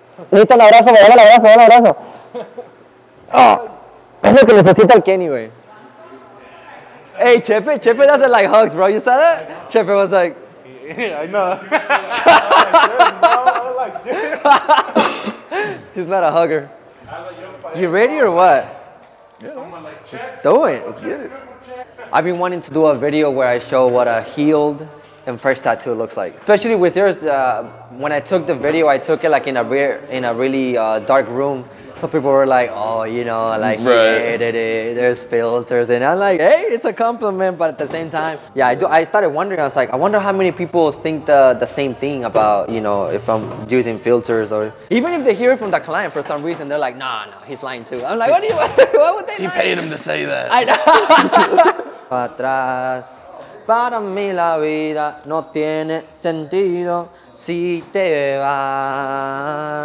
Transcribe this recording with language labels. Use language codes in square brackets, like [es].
[es] Necesito un abrazo, me dan un abrazo, me dan un abrazo. [en] Es lo que necesita el Kenny, güey. Hey, Chepe, Chepe doesn't like hugs, bro. You saw that? Chepe was like... Yeah, I know. He's not a hugger. You ready or what? Yeah. Just do it. Let's get it. I've been wanting to do a video where I show what a healed and fresh tattoo looks like. Especially with yours, when I took the video, I took it like in a really dark room. So people were like, oh, you know, like, right. Hey, there's filters. And I'm like, hey, it's a compliment. But at the same time, yeah, I started wondering. I was like, I wonder how many people think the same thing about, you know, if I'm using filters or even if they hear it from the client for some reason, they're like, no, he's lying too. I'm like, why would they lie? He paid him to say that. I know. [es] Atrás, para mí la vida no tiene sentido si te va.